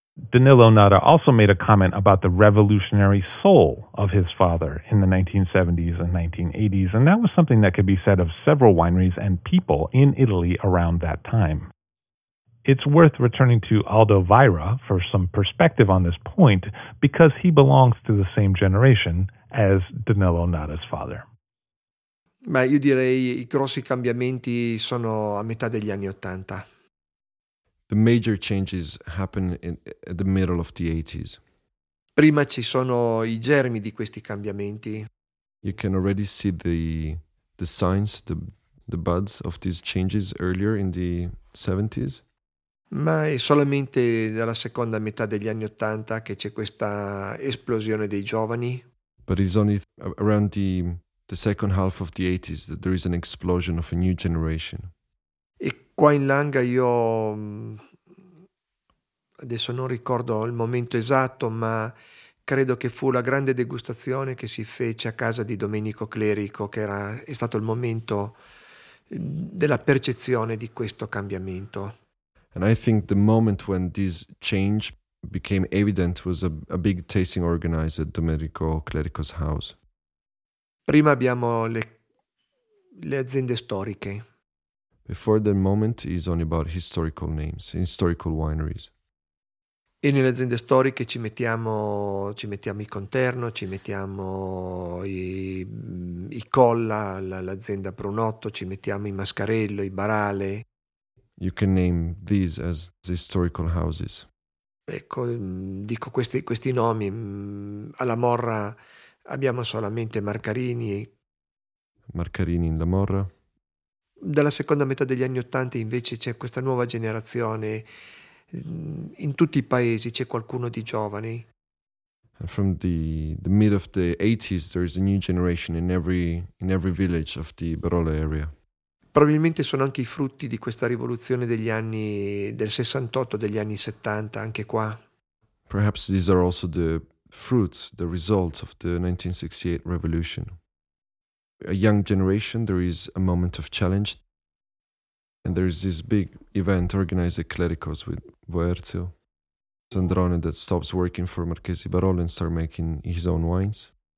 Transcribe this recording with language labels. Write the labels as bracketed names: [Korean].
[English] Danilo Nutta also made a comment about the revolutionary soul of his father in the 1970s and 1980s, and that was something that could be said of several wineries and people in Italy around that time. It's worth returning to Aldo Vira for some perspective on this point, because he belongs to the same generation as Danilo Nutta's father. [Italian] Ma io direi i grossi cambiamenti sono a metà degli anni Ottanta. [English] The major changes happen at the middle of the 80s. [Italian] Prima ci sono i germi di questi cambiamenti. [English] You can already see the signs, the buds of these changes earlier in the 70s. [Italian] Ma è solamente dalla seconda metà degli anni Ottanta che c'è questa esplosione dei giovani. [English] But it's only around the second half of the 80s, that there is an explosion of a new generation. [Italian] E qua in Langa io adesso non ricordo il momento esatto, ma credo che fu la grande degustazione che si fece a casa di Domenico Clerico, che è stato il momento della percezione di questo cambiamento. [English] And I think the moment when this change became evident was a big tasting organized at Domenico Clerico's house. [Italian] Prima abbiamo le aziende storiche. [English] Before the moment is only about historical names, historical wineries. [Italian] E nelle aziende storiche ci mettiamo i Conterno, ci mettiamo i Colla, l'azienda Brunotto, ci mettiamo i Mascarello, i Barale. [English] You can name these as the historical houses. [Italian] Ecco, dico questi nomi. Alla Morra abbiamo solamente Marcarini. [English] Marcarini in La Morra. [Italian] Dalla seconda metà degli anni Ottanta invece c'è questa nuova generazione. In tutti i paesi c'è qualcuno di giovani. [English] And from the mid of the 80s there is a new generation in every village of the Barolo area. [Italian] Probabilmente sono anche i frutti di questa rivoluzione degli anni del 68, degli anni 70, anche qua. [English] Perhaps these are also the fruits, the results of the 1968 revolution. a young generation, there is a moment of challenge. And there is this big event organized at Clericos with Boerzio Sandrone that stops working for Marchese Barolo and starts making his own wines.